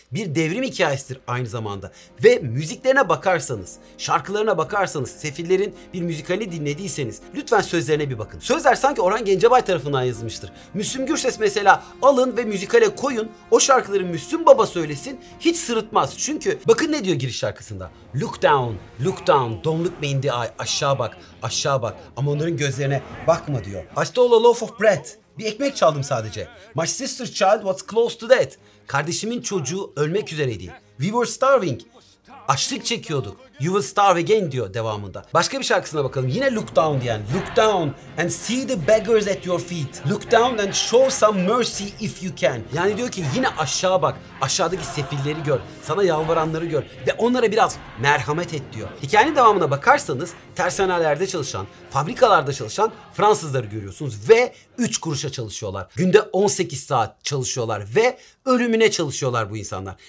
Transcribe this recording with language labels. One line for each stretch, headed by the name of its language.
Turkish: Bir devrim hikayesidir aynı zamanda. Ve müziklerine bakarsanız, şarkılarına bakarsanız, Sefillerin bir müzikalini dinlediyseniz, lütfen sözlerine bir bakın. Sözler sanki Orhan Gencebay tarafından yazılmıştır. Müslüm Gürses mesela alın ve müzikale koyun, o şarkıları Müslüm Baba söylesin, hiç sırıtmaz. Çünkü bakın ne diyor giriş şarkısında.
English: Look down, look down, don't look me in the eye.
Turkish: Aşağı bak, aşağı bak ama onların gözlerine bakma diyor.
English: I stole a loaf of bread.
Turkish: Bir ekmek çaldım sadece.
English: My sister's child was close to death.
Turkish: Kardeşimin çocuğu ölmek üzereydi.
English: We were starving.
Turkish: Açlık çekiyorduk.
English: You Will Starve Again
Turkish: diyor devamında. Başka bir şarkısına bakalım. Yine Look Down diyen.
English: Look down and see the beggars at your feet. Look down and show some mercy if you can.
Turkish: Yani diyor ki yine aşağı bak. Aşağıdaki sefilleri gör. Sana yalvaranları gör. Ve onlara biraz merhamet et diyor. Hikayenin devamına bakarsanız tersanelerde çalışan, fabrikalarda çalışan Fransızları görüyorsunuz. Ve 3 kuruşa çalışıyorlar. Günde 18 saat çalışıyorlar ve ölümüne çalışıyorlar bu insanlar.